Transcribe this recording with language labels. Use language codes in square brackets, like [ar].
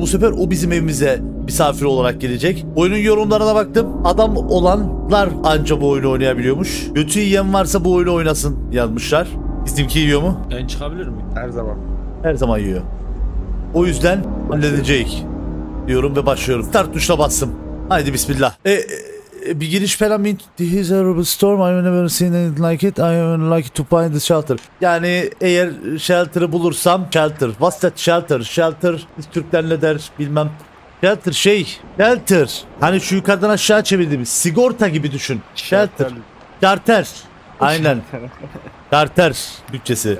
[tr] Bu sefer o bizim evimize misafir olarak gelecek. Oyunun yorumlarına baktım. Adam olanlar anca bu oyunu oynayabiliyormuş. Kötü yiyen varsa bu oyunu oynasın yazmışlar. Bizimki yiyor mu? Ben çıkabilir miyim? Her zaman. Her zaman yiyor. O yüzden halledecek diyorum ve başlıyorum. Start tuşuna bastım. Haydi bismillah. Bir giriş falan mı? [en] This is a horrible storm. I've never seen anything like it. I would like to find the shelter. [tr] Yani eğer shelter'ı bulursam, shelter. [en] What's that shelter? [tr] Shelter. Biz Türkler ne der bilmem. Shelter şey. Shelter. Hani şu yukarıdan aşağı çevirdiğimiz sigorta gibi düşün. Shelter. Charter. Aynen. Charter bütçesi.